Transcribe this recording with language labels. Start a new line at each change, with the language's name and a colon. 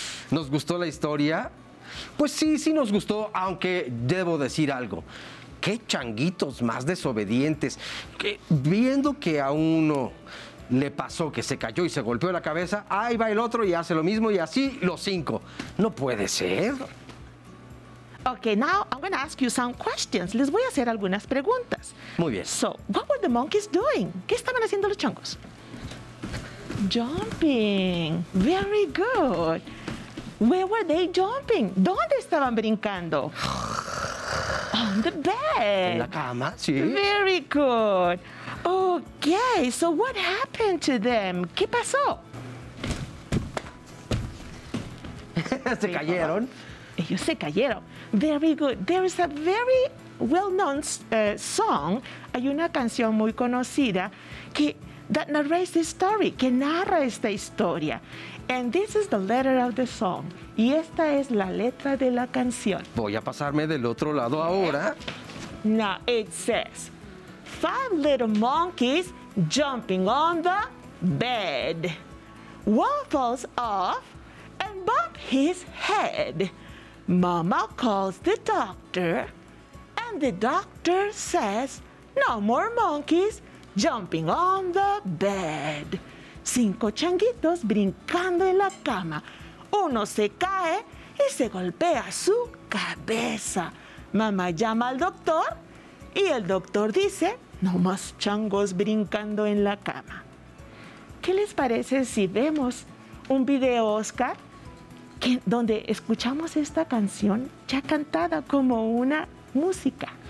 Spanish: ¿Nos gustó la historia? Pues sí, sí nos gustó, aunque debo decir algo. ¡Qué changuitos más desobedientes! Que, viendo que a uno le pasó que se cayó y se golpeó la cabeza, ahí va el otro y hace lo mismo y así los cinco. ¡No puede ser!
English: Ok, now I'm going to ask you some questions.
Spanish: Les voy a hacer algunas preguntas. Muy bien.
English: So, what were the monkeys doing?
Spanish: ¿Qué estaban haciendo los changos?
English: Jumping. Very good. Where were they jumping?
Spanish: ¿Dónde estaban brincando?
English: On the bed.
Spanish: En la cama, sí.
English: Very good. Okay, so what happened to them?
Spanish: ¿Qué pasó? Se cayeron. Ellos se cayeron.
English: Very good. There is a very well-known song.
Spanish: Hay una canción muy conocida que
English: that narrates this story,
Spanish: que narra esta historia.
English: And this is the letter of the song.
Spanish: Y esta es la letra de la canción. Voy a pasarme del otro lado ahora.
English: Now, it says, five little monkeys jumping on the bed. waffles off and bump his head. Mama calls the doctor, and the doctor says, no more monkeys jumping on the bed.
Spanish: Cinco changuitos brincando en la cama. Uno se cae y se golpea su cabeza. Mamá llama al doctor y el doctor dice, no más changos brincando en la cama. ¿Qué les parece si vemos un video, Oscar, donde escuchamos esta canción ya cantada como una música?